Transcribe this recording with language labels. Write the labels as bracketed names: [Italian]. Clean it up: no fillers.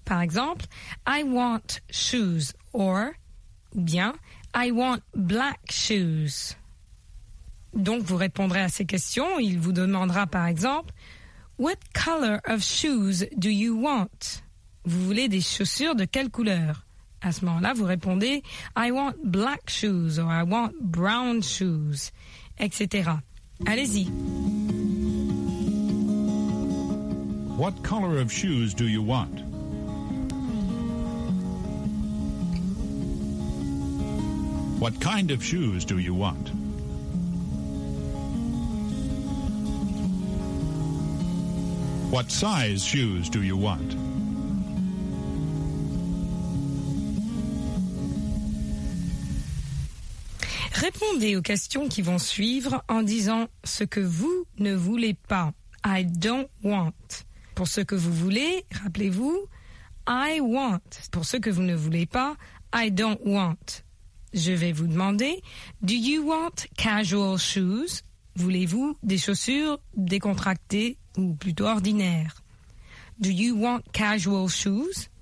[French] Par exemple, [English] I want shoes. Or, bien, I want black shoes. [French] Donc, vous répondrez à ces questions. Il vous demandera, par exemple, [English] What color of shoes do you want? [French] Vous voulez des chaussures de quelle couleur? À ce moment-là, vous répondez « [English] I want black shoes [French] » ou « [English] I want brown shoes [French] », etc. Allez-y. [English] What color of shoes do you want? What kind of shoes do you want? What size shoes do you want? [French] Répondez aux questions qui vont suivre en disant ce que vous ne voulez pas. [English] I don't want. [French] Pour ce que vous voulez, rappelez-vous, I want. Pour ce que vous ne voulez pas, [English] I don't want. [French] Je vais vous demander, [English] do you want casual shoes? [French] Voulez-vous des chaussures décontractées ou plutôt ordinaires? [English] Do you want casual shoes?